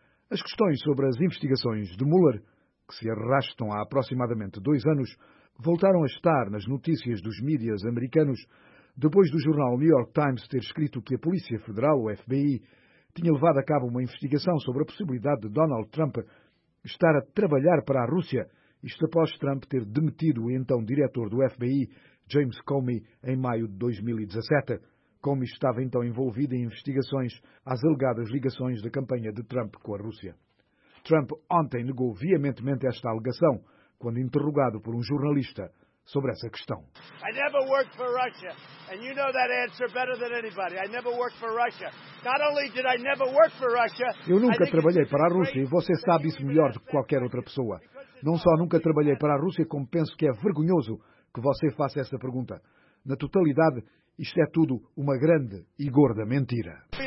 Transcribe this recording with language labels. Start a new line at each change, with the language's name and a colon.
Portuguese: As questões sobre as investigações de Mueller, que se arrastam há aproximadamente 2 anos, voltaram a estar nas notícias dos mídias americanos depois do jornal New York Times ter escrito que a Polícia Federal, o FBI, tinha levado a cabo uma investigação sobre a possibilidade de Donald Trump estar a trabalhar para a Rússia, isto após Trump ter demitido o então diretor do FBI, James Comey, em maio de 2017. Comey estava então envolvido em investigações às alegadas ligações da campanha de Trump com a Rússia. Trump ontem negou veementemente esta alegação, quando interrogado por um jornalista sobre essa questão.
English: I never worked for Russia, and you know that answer better than anybody. I never worked for Russia. Not only did I never work for Russia,
Portuguese: eu nunca trabalhei para a Rússia e você sabe isso melhor do que qualquer outra pessoa. Não só nunca trabalhei para a Rússia, como penso que é vergonhoso que você faça essa pergunta. Na totalidade, isto é tudo uma grande e gorda mentira.